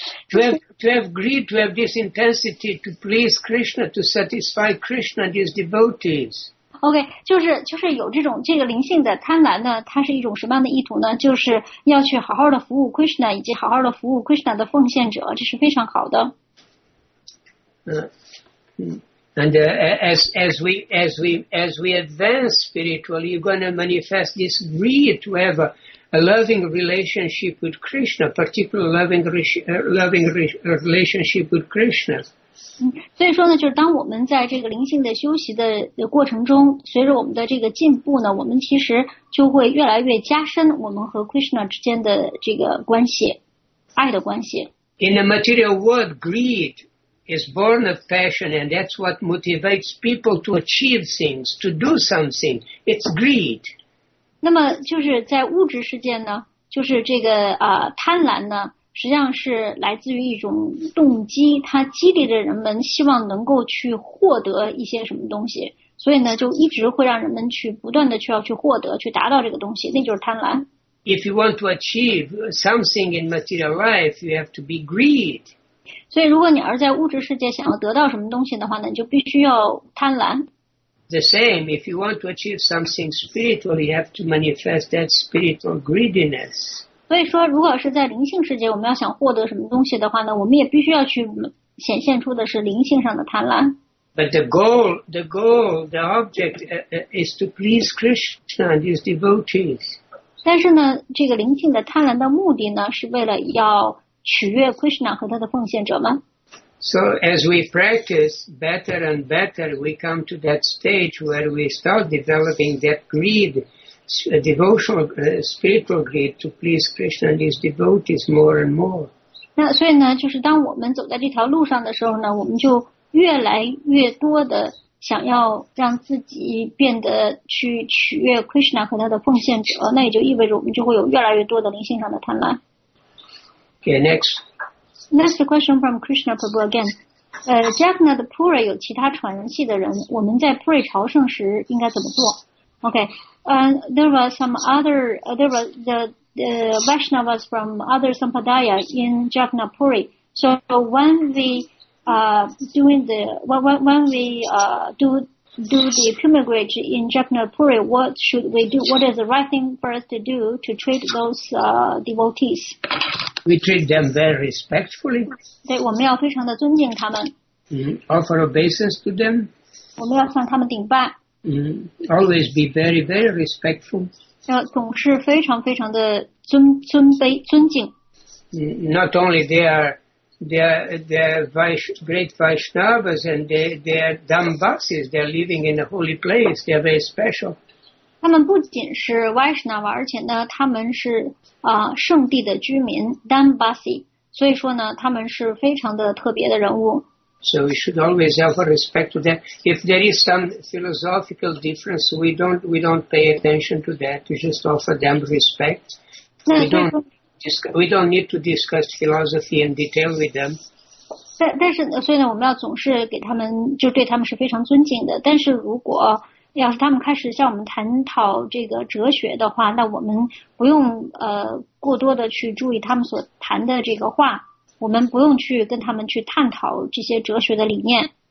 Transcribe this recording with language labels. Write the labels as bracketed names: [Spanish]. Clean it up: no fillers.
[English] To have greed, to have this intensity to please Krishna, to satisfy Krishna and his devotees. [Chinese] Okay, 就是有这个灵性的贪婪呢，它是一种什么样的意图呢？就是要去好好的服务 Krishna， 以及好好的服务 Krishna 的奉献者，这是非常好的。 [English] And as we advance spiritually, you're going to manifest this greed to have a loving relationship with Krishna, particularly loving relationship with Krishna. [Chinese] 所以说呢，就是当我们在这个灵性的修习的过程中，随着我们的这个进步呢，我们其实就会越来越加深我们和 Krishna 之间的这个关系，爱的关系。 [English] In the material world, greed is born of passion, and that's what motivates people to achieve things, to do something. It's greed. [Chinese] 那么就是在物质世界呢，就是这个贪婪呢，实际上是来自于一种动机，它激励着人们希望能够去获得一些什么东西，所以呢，就一直会让人们去不断的去要去获得，去达到这个东西，那就是贪婪。 [English] If you want to achieve something in material life, you have to be greed. [Chinese] 所以如果你要是在物质世界想要得到什么东西的话呢，你就必须要贪婪。 [English] The same, if you want to achieve something spiritual, you have to manifest that spiritual greediness. [Chinese] 所以说，如果是在灵性世界，我们要想获得什么东西的话呢，我们也必须要去显现出的是灵性上的贪婪。 [English] But the goal, the object, is to please Krishna and his devotees. [Chinese] 但是呢，这个灵性的贪婪的目的呢，是为了要取悦 Krishna 和他的奉献者们。 [English] So as we practice better and better, we come to that stage where we start developing that greed, devotional, spiritual greed to please Krishna and his devotees more and more. [Chinese] 那所以呢，就是当我们走在这条路上的时候呢，我们就越来越多的想要让自己变得去取悦 Krishna 和他的奉献者，那也就意味着我们就会有越来越多的灵性上的贪婪。 [English] Okay, next. Next question from Krishna Prabhu again. [Chinese] Jagannath Puri 有其他传人系的人，我们在 Puri 朝圣时应该怎么做？ [English] Okay, there were some other, there were the Vaishnavas from other Sampadaya in Jagannath Puri. So when we do the pilgrimage in Jagannathpuri, what should we do? What is the right thing for us to do to treat those devotees? We treat them very respectfully. [Chinese] 对，我们要非常的尊敬他们。 [English] Offer obeisance to them. [Chinese] 我们要向他们顶拜。 [English] Always be very, very respectful. [Chinese] 要总是非常非常的尊敬。 [English] Not only they are great Vaishnavas and they are Dambasis. They are living in a holy place. They are very special. [Chinese] 他们不仅是 Vaishnava, 而且呢，他们是圣地的居民 Dambasi. 所以说呢，他们是非常的特别的人物。 [English] So we should always have a respect to that. If there is some philosophical difference, we don't pay attention to that. We just offer them respect. We don't need to discuss philosophy in detail with them. [Chinese] 但是所以呢，我们要总是给他们，就对他们是非常尊敬的。但是如果要是他们开始向我们探讨这个哲学的话，那我们不用过多的去注意他们所谈的这个话。我们不用去跟他们去探讨这些哲学的理念。